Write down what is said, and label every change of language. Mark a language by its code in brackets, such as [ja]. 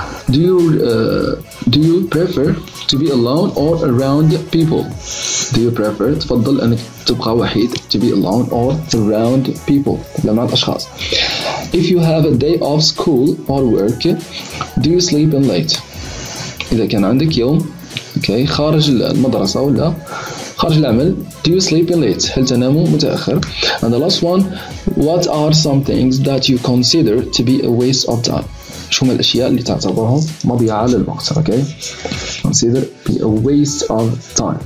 [en] Do you prefer to be alone or around people? Do you prefer [ar] تفضل انك تبقى وحيد [en] to be alone or around people? [ar] لمعت اشخاص. [en] If you have a day off school or work, do you sleep in late? [ar] إذا كان عندك يوم okay, خارج المدرسة ولا خارج العمل, [en] do you sleep in late? [ar] هل تنام متأخر? [en] And the last one, what are some things that you consider to be a waste of time? [ar] شو هم الأشياء اللي تعتبرها مضيعة للوقت, okay? [en] Consider be a waste of time.